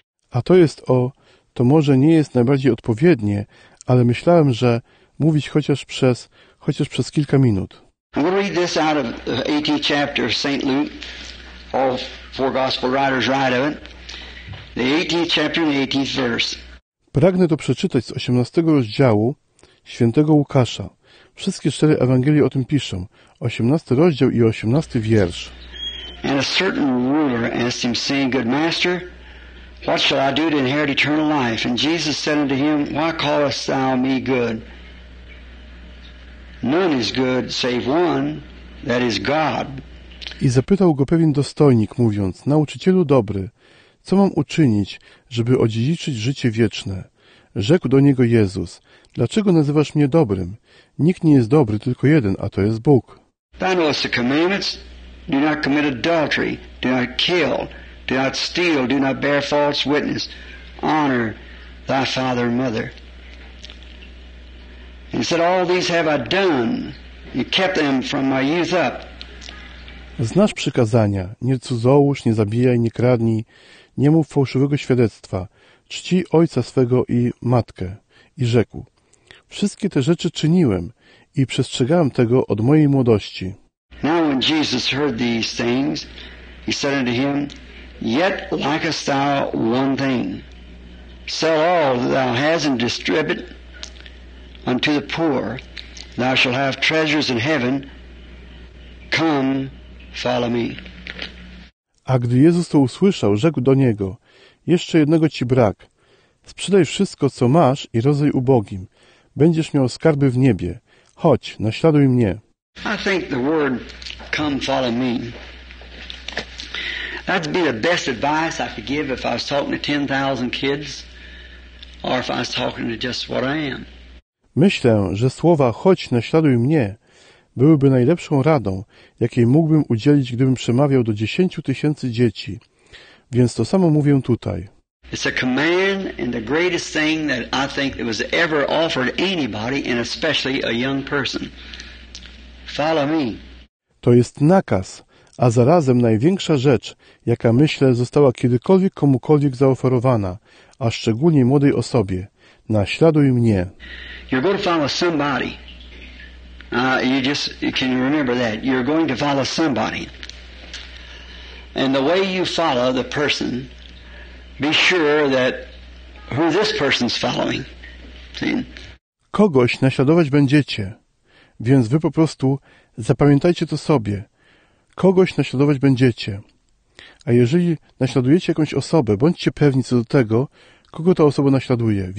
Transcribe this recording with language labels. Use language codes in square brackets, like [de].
[pl] A to jest to może nie jest najbardziej odpowiednie, ale myślałem, że mówić chociaż przez kilka minut. [en] We'll read this out of the 18th chapter of St. Luke. All four gospel writers write of it. The 18th chapter and the 18th verse. [pl] Pragnę to przeczytać z 18 rozdziału Świętego Łukasza. Wszystkie cztery Ewangelie o tym piszą. 18 rozdział i 18 wiersz. [en] And a certain ruler asked him, saying, Good master, what shall I do to inherit eternal life? And Jesus said unto him, Why callest thou me good? None is good save one, that is God. [pl] I zapytał go pewien dostojnik, mówiąc, Nauczycielu dobry, co mam uczynić, żeby odziedziczyć życie wieczne? Rzekł do niego Jezus, Dlaczego nazywasz mnie dobrym? Nikt nie jest dobry, tylko jeden, a to jest Bóg. [en] Thou knowest the commandments, do not commit adultery, do not kill, do not steal, do not bear false witness, honor thy father and mother. And he said, All these have I done, and kept them from my youth up. [pl] Znasz przykazania, nie cudzołóż, nie zabijaj, nie kradnij, nie mów fałszywego świadectwa, czci ojca swego i matkę. I rzekł, wszystkie te rzeczy czyniłem i przestrzegałem tego od mojej młodości. [en] Now when Jesus heard these things, he said unto him, Yet lackest thou one thing, sell all that thou hast and distribute unto the poor, thou shalt have treasures in heaven, come Follow me. [pl] A gdy Jezus to usłyszał, rzekł do niego, jeszcze jednego ci brak. Sprzedaj wszystko, co masz i rozdaj ubogim. Będziesz miał skarby w niebie. Chodź, naśladuj mnie. [en] I think the word come follow me. That'd be the best advice I could give if I was talking to 10,000 kids or if I was talking to just what I am. [pl] Myślę, że słowa chodź, naśladuj mnie byłyby najlepszą radą, jakiej mógłbym udzielić, gdybym przemawiał do 10 tysięcy dzieci. Więc to samo mówię tutaj. [en] It's a command and the greatest thing that I think that was ever offered anybody, and especially a young person. Follow me. [pl] To jest nakaz, a zarazem największa rzecz, jaka myślę została kiedykolwiek komukolwiek zaoferowana, a szczególnie młodej osobie. Naśladuj mnie. [en] You're going to follow somebody. Can you remember that? You're going to follow somebody. And the way you follow the person, be sure that who this person's following. See? [pl] Kogoś naśladować będziecie. Więc wy po prostu zapamiętajcie to sobie. Kogoś naśladować będziecie. A jeżeli naśladujecie jakąś osobę, bądźcie pewni co do tego, kogo ta osoba naśladuje.